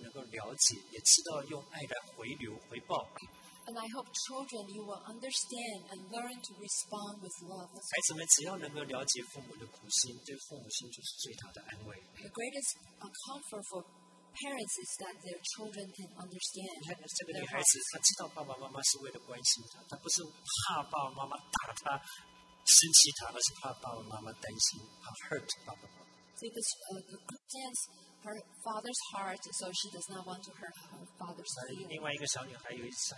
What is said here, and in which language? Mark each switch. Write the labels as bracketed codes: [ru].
[zh] 我也希望孩子们,你们能够体会,能够了解,也知道用爱来回流,回报。 [en] And I hope children, you will understand and learn to respond with love. [zh] 孩子们只要能够了解父母的苦心，对父母心就是最大的安慰。 [en] The greatest comfort for parents is that their children can understand. [zh] 这个女孩子，她知道爸爸妈妈是为了关心她，她不是怕爸爸妈妈打她、生气她，而是怕爸爸妈妈担心，怕 hurt 爸爸妈妈。 [en] See, this girl tends her father's heart, so she does not want to hurt her father's feelings.